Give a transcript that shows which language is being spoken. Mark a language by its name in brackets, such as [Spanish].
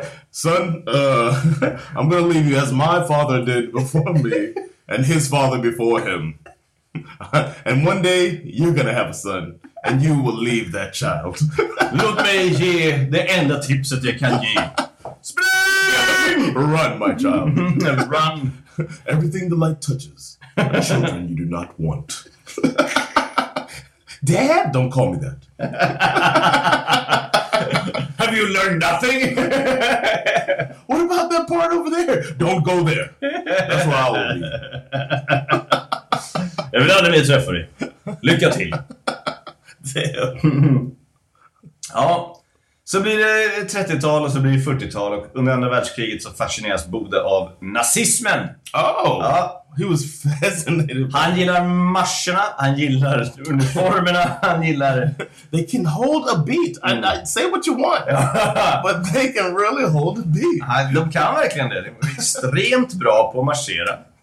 [English] son, I'm going to leave you as my father did before me and his father before him. And one day, you're going to have a son. And you will leave that child. [Swedish] Låt mig ge det enda tipset jag kan ge. [English] Spring! Run, my child. Run. Everything the light touches. Children you do not want. Dad, don't call me that. Have you learned nothing? What about that part over there? Don't go there. That's where I will be. [Swedish] Jag vill aldrig mer träffa dig. Lycka till. Ja, så blir det 30-tal och så blir det 40-tal. Och under andra världskriget så fascineras Bode av nazismen. [English] Oh, [Swedish] ja. [English] He was fascinated. [Swedish] Han gillar marscherna, han gillar uniformerna, han gillar... [English] They can hold a beat, and I say what you want, but they can really hold a beat. [Swedish] Ja, de kan verkligen det, de är extremt bra på att marschera.